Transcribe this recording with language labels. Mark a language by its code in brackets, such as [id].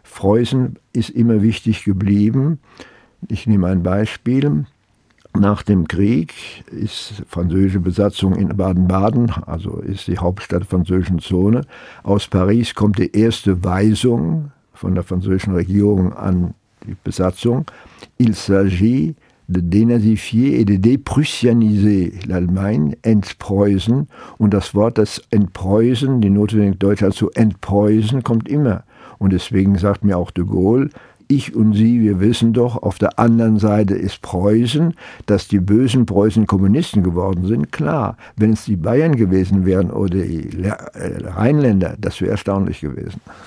[de] Preußen ist immer wichtig geblieben. Ich nehme ein Beispiel. Nach dem Krieg ist französische Besatzung in Baden-Baden, also ist die Hauptstadt der französischen Zone. Aus Paris kommt die erste Weisung von der französischen Regierung an die Besatzung. [fr] Il s'agit de dénazifier et de déprussianiser l'Allemagne, entpreußen. [de] Und das Wort, das entpreußen, die Notwendigkeit Deutschland zu entpreußen, kommt immer. Und deswegen sagt mir auch de Gaulle, ich und Sie, wir wissen doch, auf der anderen Seite ist Preußen, dass die bösen Preußen Kommunisten geworden sind. Klar, wenn es die Bayern gewesen wären oder die Rheinländer, das wäre erstaunlich gewesen.